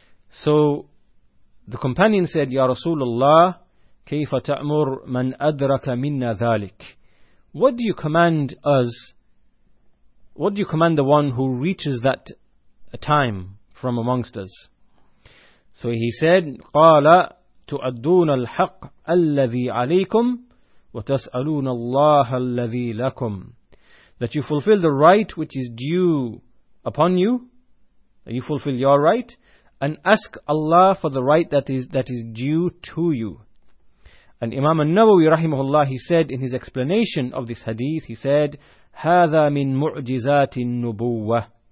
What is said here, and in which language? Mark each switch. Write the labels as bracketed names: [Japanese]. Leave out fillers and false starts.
[English] So, the companion said, [Arabic] Ya Rasulullah, kayfa ta'mur man adraka minna thalik. [English] What do you command us? What do you command the one who reaches that time from amongst us? So he said, [Arabic] قَالَ تُعَدُّونَ الْحَقِّ أَلَّذِي عَلَيْكُمْ وَتَسْأَلُونَ اللَّهَ الَّذِي لَكُمْ. [English] That you fulfill the right which is due upon you. You fulfill your right. And ask Allah for the right that is due to you. And Imam An-Nawawi rahimahullah, he said in his explanation of this hadith, he said, [Arabic] هَذَا مِن مُعْجِزَاتِ النُّبُوَّةِ.